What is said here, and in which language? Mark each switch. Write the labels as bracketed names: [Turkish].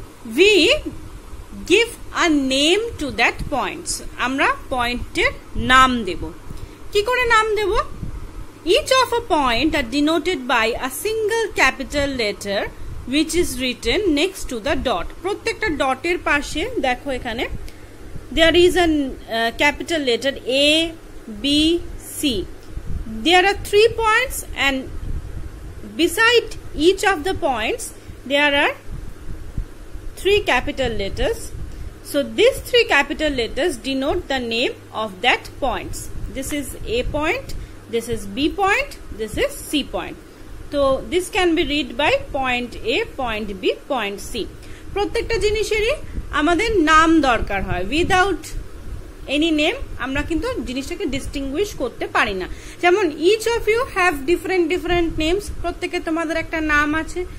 [English] we give a name to that points [Bangla] আমরা পয়েন্টের নাম দেব [English] কি করে নাম দেব each of a point are denoted by a single capital letter which is written next to the dot. [Bangla] প্রত্যেকটা ডটের পাশে দেখো এখানে [English] there is a capital letter A, B, C. There are three points and beside each of the points there are three capital letters. So these three capital letters denote the name of that points. This is A point, this is B point, this is C point. তো this can be read by point A point B point C [Bangla] প্রত্যেকটা জিনিসেরই আমাদের নাম দরকার হয় [English] without any name [Bangla] আমরা কিন্তু জিনিসটাকে ডিস্টিংগুইশ করতে পারি না। [English] যেমন each of you have different different names, [Bangla] প্রত্যেকে তোমাদের একটা নাম আছে।